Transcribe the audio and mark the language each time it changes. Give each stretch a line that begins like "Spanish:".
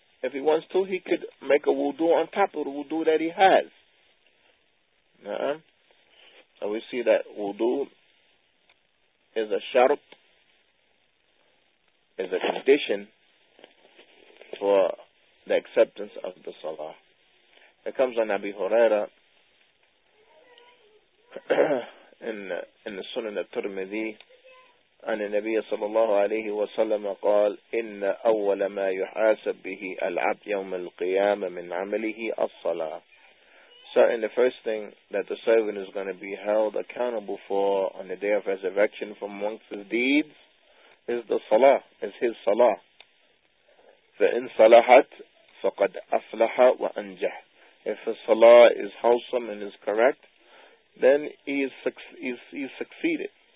English: If he wants to, he could make a wudu on top of the wudu that he has. So we see that wudu is a shart, is a condition for the acceptance of the salah. It comes on Abi Huraira in the Sunan al-Tirmidhi,
Arabic: أن النبي صلى الله عليه وسلم قال إن أول ما يحاسب به العبد يوم القيامة من عمله الصلاة.
English: Certainly the first thing that the servant is going to be held accountable for on the day of resurrection from amongst his deeds is the salah, is his salah.
Arabic: فإن صلحت فقد أفلح وأنجح.
English: If his salah is wholesome and is correct, then he's succeeded.